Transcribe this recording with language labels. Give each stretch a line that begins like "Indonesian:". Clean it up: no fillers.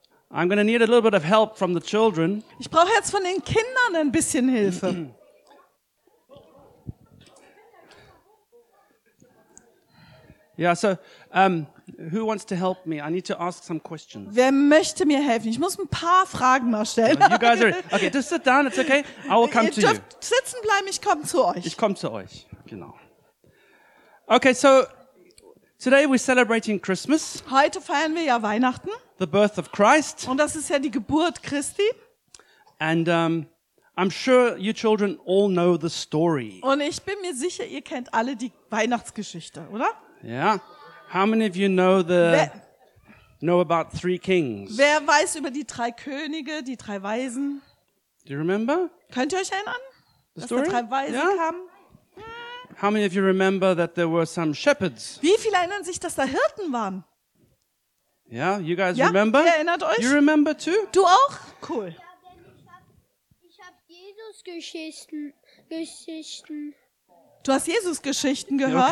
English: I'm going to need a little bit of help from the children.
German: Ich brauche jetzt von den Kindern ein bisschen Hilfe.
English: Yeah, so who wants to help me? I need to ask some questions.
German: Wer möchte mir helfen? Ich muss ein paar Fragen mal stellen.
English: You guys are okay. Just sit down. It's okay. I will come to you.
German: Sitzen bleiben. Ich komme zu euch. Ich komme zu euch. Genau.
English: Okay, so today we're celebrating Christmas.
German: Heute feiern wir ja Weihnachten.
English: The birth of Christ.
German: Und das ist ja die Geburt Christi.
English: And I'm sure you children all know the story.
German: Und ich bin mir sicher, ihr kennt alle die Weihnachtsgeschichte, oder?
English: Yeah. How many of you know about three kings?
German: Wer weiß über die drei Könige, die drei Weisen?
English: Do you remember?
German: Könnt ihr euch erinnern?
English: The story?
German: Dass da drei Weisen kamen?
English: How many of you remember that there were some shepherds?
German: Wie viele erinnern sich, dass da Hirten waren?
English: Yeah, you guys remember?
German: Ja, erinnert euch?
English: You remember too?
German: Du auch? Cool. Ich hab Jesus-Geschichten. Du hast Jesus-Geschichten gehört?